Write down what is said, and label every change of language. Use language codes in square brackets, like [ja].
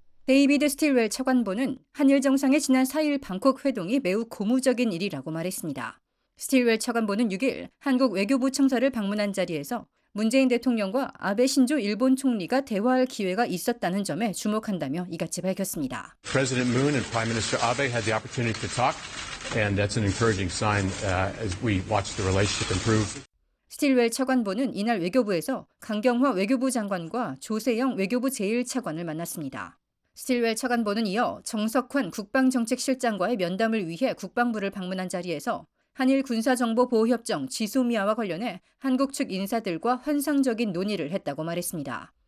[ko] 데이비드 스틸웰 차관보는 한일 정상의 지난 4일 방콕 회동이 매우 고무적인 일이라고 말했습니다. 스틸웰 차관보는 6일 한국 외교부 청사를 방문한 자리에서 문재인 대통령과 아베 신조 일본 총리가 대화할 기회가 있었다는 점에 주목한다며 이같이 밝혔습니다. [en] President Moon and Prime Minister Abe had the opportunity to talk, and that's an encouraging sign as we watch the relationship improve. [ko] 스틸웰 차관보는 이날 외교부에서 강경화 외교부 장관과 조세영 외교부 제1차관을 만났습니다. 스틸웰 차관보는 이어 정석환 국방정책실장과의 면담을 위해 국방부를 방문한 자리에서 한일 군사정보보호협정 지소미아와 관련해 한국 측 인사들과 환상적인 논의를 했다고 말했습니다.